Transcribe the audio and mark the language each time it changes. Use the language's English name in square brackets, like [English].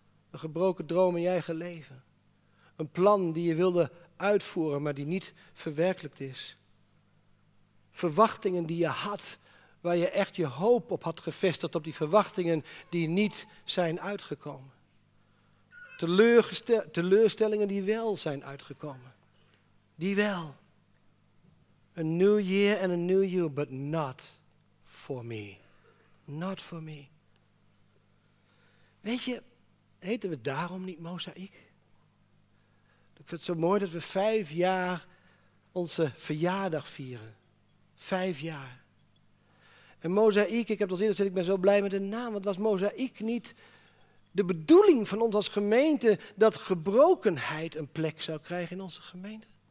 [Dutch] Een gebroken droom in je eigen leven. Een plan die je wilde uitvoeren, maar die niet verwerkelijkt is. Verwachtingen die je had, waar je echt je hoop op had gevestigd, op die verwachtingen die niet zijn uitgekomen. Teleurstellingen die wel zijn uitgekomen. Die wel. [English] A new year and a new you, but not for me. Not for me. [Dutch] Weet je, heten we daarom niet Mozaïek? Ik vind het zo mooi dat we 5 jaar onze verjaardag vieren. 5 jaar. En Mozaïek, ik heb het al eerder gezegd, ik ben zo blij met de naam. Want was Mozaïek niet de bedoeling van ons als gemeente dat gebrokenheid een plek zou krijgen in onze gemeente?